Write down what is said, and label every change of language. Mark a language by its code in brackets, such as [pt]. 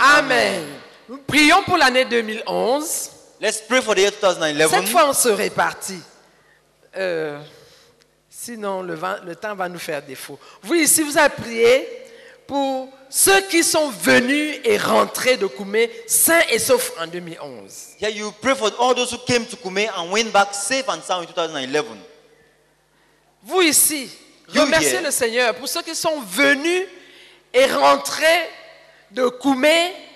[fr] Amen. Amen. Prions pour l'année 2011. [en] Let's pray for the year 2011. [fr] Cette fois, on se répartit. Sinon, le temps va nous faire défaut. Oui, si vous avez prié pour ceux qui sont venus et rentrés de Koumé sains et saufs en 2011. [en] Yeah, you pray for all those who came to Koumé and went back safe and sound in 2011. [fr] Vous ici, remerciez le Seigneur pour ceux qui sont venus et rentrés de Koumé.